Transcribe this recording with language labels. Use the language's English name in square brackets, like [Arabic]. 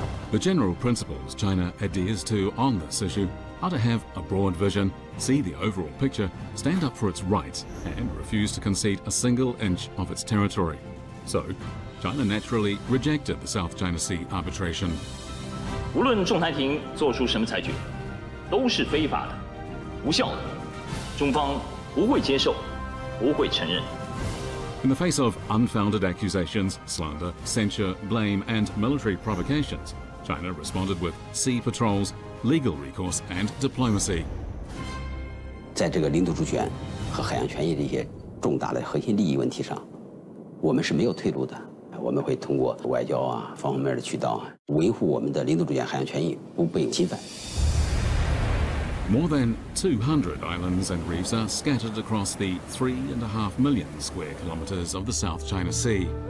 [English] The general principles China adheres to on this issue are to have a broad vision, see the overall picture, stand up for its rights, and refuse to concede a single inch of its territory. So, China naturally rejected the South China Sea arbitration. [Chinese] 无论仲裁庭做出什么裁决，都是非法的，无效的，中方不会接受，不会承认。 [English] In the face of unfounded accusations, slander, censure, blame, and military provocations, China responded with sea patrols, legal recourse, and diplomacy. [Chinese] 在这个领土主权和海洋权益的一些重大的核心利益问题上，我们是没有退路的。我们会通过外交啊，方方面的渠道啊，维护我们的领土主权、海洋权益不被侵犯。 [English] More than 200 islands and reefs are scattered across the 3.5 million square kilometers of the South China Sea.